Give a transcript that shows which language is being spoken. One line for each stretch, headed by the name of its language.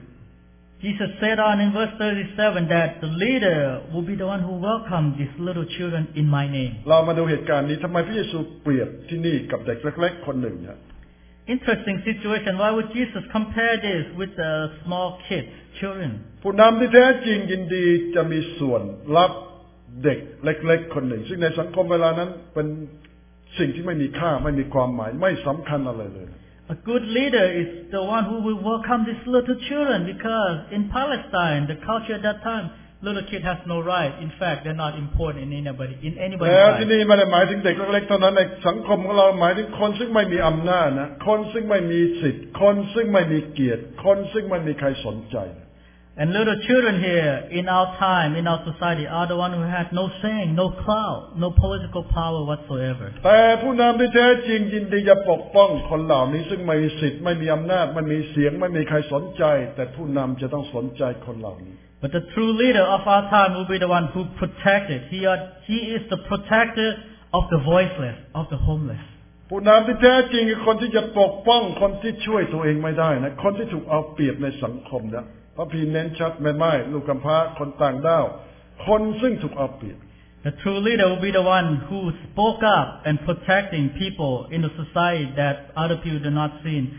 English: Jesus said on in verse 37 that the leader will be the one who welcomes these little children in my name.
Thai: เรามาดูเหตุการณ์นี้ทำไมพระเยซูเปรียบที่นี่กับเด็กเล็กๆคนหนึ่งเนี่ย
English: Interesting situation. Why would Jesus compare this with the small kids, children?
Thai: ผู้นำที่แท้จริงยินดีจะมีส่วนรับเด็กเล็กๆคนหนึ่งซึ่งในสังคมเวลานั้นเป็นสิ่งที่ไม่มีค่าไม่มีความหมายไม่สำคัญอะไรเลย
English: A good leader is the one who will welcome these little children because in Palestine the culture at that time little kid has no right in fact they're not important in anybody's
Thai: แต่ที่นี่ไม่ได้หมายถึงเด็กเล็กๆเท่านั้นในสังคมของเราหมายถึงคนซึ่งไม่มีอำนาจนะคนซึ่งไม่มีสิทธิ์คนซึ่งไม่มีเกียรติคนซึ่งไม่มีใครสนใจ
English: And little children here in our time, in our society, are the ones who have no saying, no clout, no political power whatsoever.
Thai: แต่ผู้นำที่แท้จริงยินดีจะปกป้องคนเหล่านี้ซึ่งไม่มีสิทธิ์ไม่มีอำนาจไม่มีเสียงไม่มีใครสนใจแต่ผู้นำจะต้องสนใจคนเหล่านี้
English: But the true leader of our time will be the one who protects it. He is the protector of the voiceless, of the homeless.
Thai: ผู้นำที่แท้จริงคือคนที่จะปกป้องคนที่ช่วยตัวเองไม่ได้นะคนที่ถูกเอาเปรียบในสังคมนะพระพีเน้นชัดแม่ไม้ลูกกำพร้าคนต่างด้าวคนซึ่งถูกเอาเปรียบ
English: The true leader will be the one who spoke up and protecting people in the society that other people do not see.